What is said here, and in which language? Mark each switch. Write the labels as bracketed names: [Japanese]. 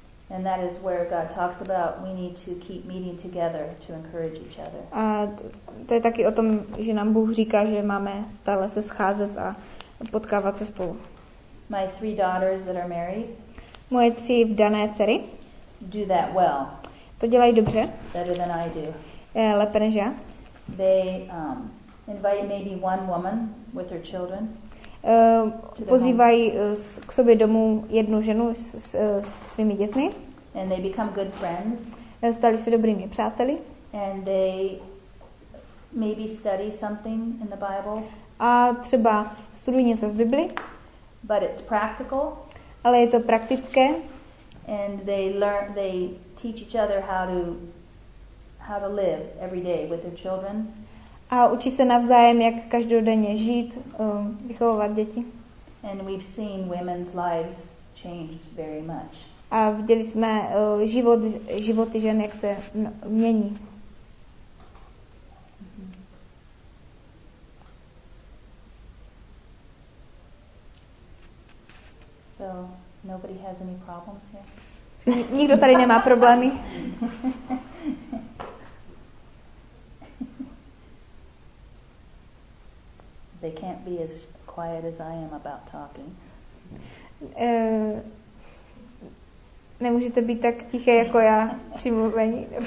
[English] And that is where God talks about we need to keep meeting together to encourage each other. [Czech] A to je taky o tom, že nám Bůh říká, že máme stále se scházet a potkávat se spolu. [English] My three daughters that are married. [Czech] Moje tři vdané dcery. [English] Do that well. [Czech] To dělají dobře. [English] Better than I do. [Czech] Lépe než já. [English] They invite maybe one woman with her children. [Czech] Pozývají k sobě domů jednu ženu s svými dětmi. [English] And they become good friends. [Czech] Stali se dobrými přáteli. [English] And they maybe study something in the Bible. [Czech] A třeba studují něco v Bibli. [English] But it's practical. [Czech] Ale je to praktické. [English] And they teach each other how to live every day with their children. [Czech] A učí se navzájem, jak každodenně žít, vychovávat děti. [English] And we've seen women's lives change very much. [Czech] A viděli jsme životy žen, jak se mění. [English] So nobody has any problems here. [Czech] Nikdo tady nemá problémy. [English] they can't be as quiet as I am about talking. [Czech] Nemůže to být tak tiché jako já při mluvení.